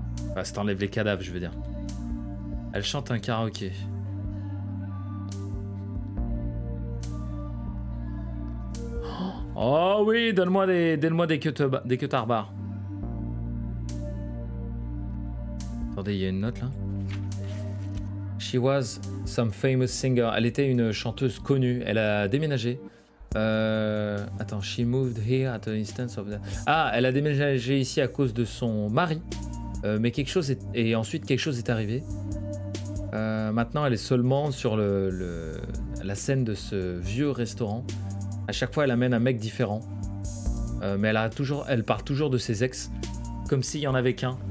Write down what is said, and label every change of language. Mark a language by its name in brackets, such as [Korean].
[French] Enfin, ça t'enlève les cadavres, je veux dire. Elle chante un karaoké. Oh oui, donne-moi des cutard bars. Attendez, il y a une note là. [English] She was some famous singer. [French] Elle était une chanteuse connue. Elle a déménagé. Attends, [English] she moved here at the instance of the... [French] Ah, elle a déménagé ici à cause de son mari. Mais quelque chose est... Et ensuite, quelque chose est arrivé. Maintenant, elle est seulement sur la scène de ce vieux restaurant. À chaque fois, elle amène un mec différent. Mais elle parle toujours de ses ex. Comme s'il y en avait qu'un.